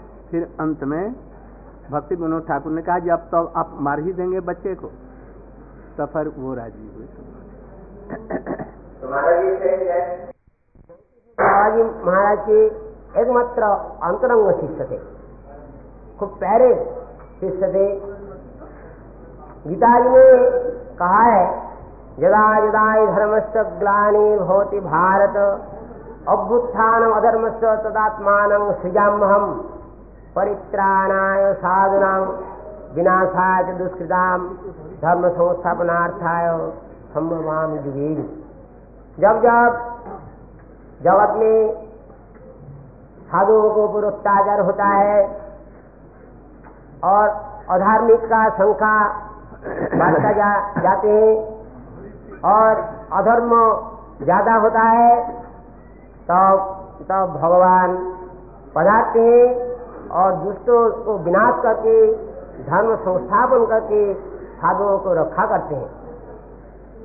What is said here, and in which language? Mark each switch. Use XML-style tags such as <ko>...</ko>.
<hi>फिर अंत में भक्ति विनोद ठाकुर ने कहा, जब तो आप मार ही देंगे बच्चे को, तो फिर वो राजी हुए। बाबाजी महाराज के एकमात्र अंतरंग शिष्य थे, खूब प्यारे शिष्य थे। गीता जी ने कहा है,</hi> <sa>जदा जदा धर्मस्य ग्लानिः भवति भारत अभ्युत्थानम् अधर्मस्य तदात्मानं सृजाम्यहम् परित्राणाय साधुनां विनाशाय च दुष्कृताम् धर्म संस्थापनार्थाय सम्भवामि दिवीं।</sa> <hi>जब जब जगत में साधुओं के ऊपर अत्याचार होता है और अधार्मिक का संख्या बढ़ता जाते हैं और अधर्म ज्यादा होता है, तब भगवान पधारते हैं और दुष्टों को विनाश करके धर्म संस्थापन करके साधुओं को रक्षा करते हैं।</hi>